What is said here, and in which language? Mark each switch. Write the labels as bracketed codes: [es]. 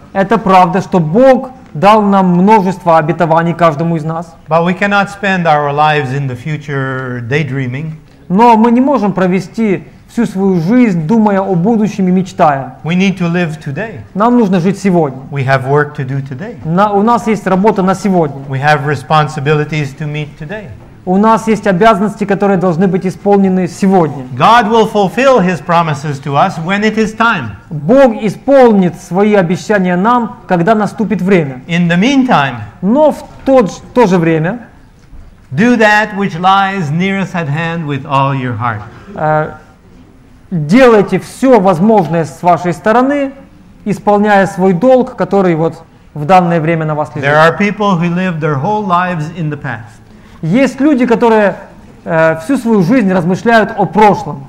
[ru] Это правда, что Бог дал нам множество обетований каждому из нас. [en] But we cannot spend our lives in the future daydreaming. [ru] Но мы не можем провести всю свою жизнь, думая о будущем и мечтая. [en] We need to live today. [ru] Нам нужно жить сегодня. [en] We have work to do today. [ru] У нас есть работа на сегодня. [en] We have responsibilities to meet today. [ru] У нас есть обязанности, которые должны быть исполнены сегодня. [en] God will fulfill his promises to us when it is time. [ru] Бог исполнит свои обещания нам, когда наступит время. [en] In the meantime, [ru] но в то же время, [en] do that which lies nearest at hand with all your heart. [ru] Делайте все возможное с вашей стороны, исполняя свой долг, который вот в данное время на вас лежит. [en] There are people who live their whole lives in the past. [ru] Есть люди, которые всю свою жизнь размышляют о прошлом.